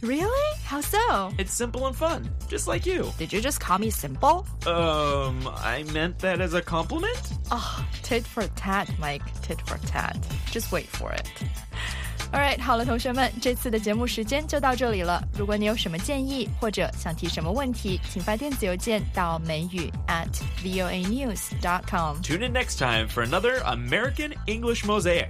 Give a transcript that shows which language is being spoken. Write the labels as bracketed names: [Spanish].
[English] Really? How so? It's simple and fun, just like you. Did you just call me simple? I meant that as a compliment. Oh, tit for tat, Mike, tit for tat. Just wait for it. All right, [Chinese] 好了，同学们，这次的节目时间就到这里了。如果你有什么建议或者想提什么问题，请发电子邮件到美语 @voanews.com. [English] Tune in next time for another American English Mosaic.